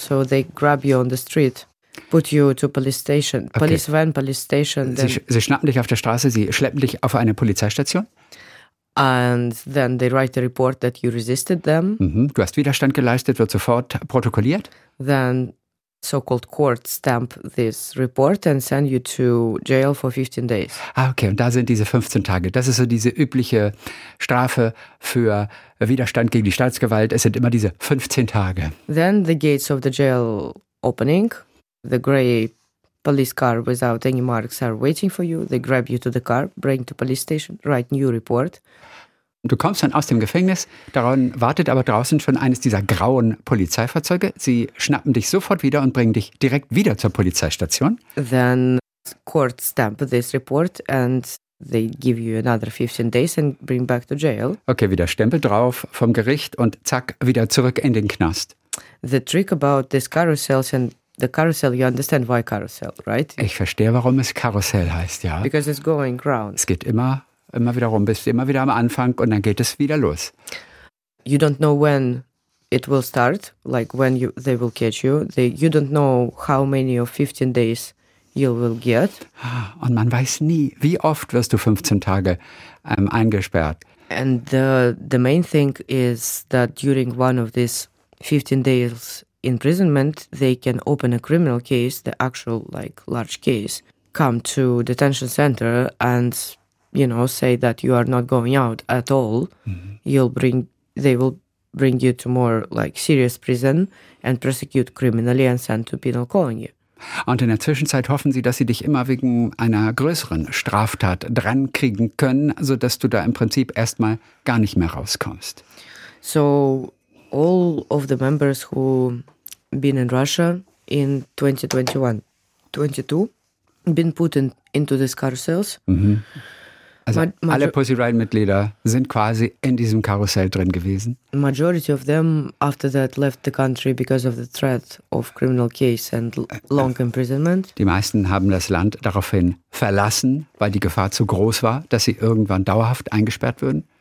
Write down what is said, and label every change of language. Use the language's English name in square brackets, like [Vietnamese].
[English] So they grab you on the street, put you to police station, police van, police station. [German] Sie schnappen dich auf der Straße, sie schleppen dich auf eine Polizeistation. [English] And then they write a report that you resisted them. [German] Mm-hmm. Du hast Widerstand geleistet, wird sofort protokolliert. [English] Then so-called court stamp this report and send you to jail for 15 days. [German] Ah, okay, und da sind diese 15 Tage. Das ist so diese übliche Strafe für Widerstand gegen die Staatsgewalt. Es sind immer diese 15 Tage. [English] Then the gates of the jail opening, the gray police car without any marks are waiting for you. They grab you to the car, bring to police station, write new report. [German] Du kommst dann aus dem Gefängnis, daran wartet aber draußen schon eines dieser grauen Polizeifahrzeuge. Sie schnappen dich sofort wieder und bringen dich direkt wieder zur Polizeistation. [English] Then court stamp this report and they give you another 15 days and bring back to jail. [German] Okay, wieder Stempel drauf vom Gericht und zack, wieder zurück in den Knast. [English] The trick about this carousels and the carousel, you understand why carousel, right? [German] Ich verstehe, warum es Karussell heißt, ja. [English] Because it's going round. [German] Es geht immer wieder rum, bist immer wieder am Anfang und dann geht es wieder los. [English] You don't know when it will start, like when they will catch you. You don't know how many of 15 days you will get. [German] Und man weiß nie, wie oft wirst du 15 Tage eingesperrt. [English] And the main thing is that during one of these 15 days imprisonment, they can open a criminal case, the actual like large case, come to detention center and, you know, say that you are not going out at all. Mm-hmm. They will bring you to more like serious prison and prosecute criminally and send to penal colony. [German] Und in der Zwischenzeit hoffen sie, dass sie dich immer wegen einer größeren Straftat drankriegen können, sodass du da im Prinzip erstmal gar nicht mehr rauskommst. [English] So, all of the members who been in Russia in 2021-22 been put into these carousels. Mhm. [German] Also alle Pussy Riot-Mitglieder sind quasi in diesem Karussell drin gewesen. [English] Majority of them after that left the country because of the threat of criminal case and long imprisonment. [German] Die meisten haben das Land daraufhin verlassen, weil die Gefahr zu groß war, dass sie irgendwann dauerhaft eingesperrt würden.